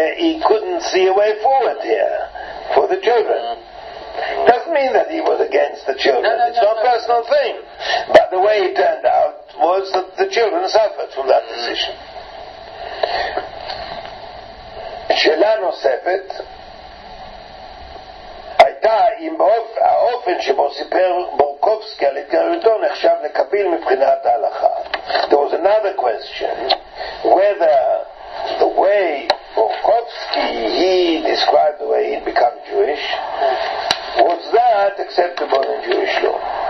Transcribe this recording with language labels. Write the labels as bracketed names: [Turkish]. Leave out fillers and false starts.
[English] He couldn't see a way forward here for the children. Doesn't mean that he was against the children. No, it's not a personal thing. But the way it turned out was that the children suffered from that decision. [Hebrew] Shelano Sefet הייתה אם האופן שבו סיפר בורקובסקי על התגרותו נחשב לקביל מבחינת ההלכה. [English] There was another question, whether the way בורקובסקי, he described the way he'd become Jewish, was that acceptable in Jewish law?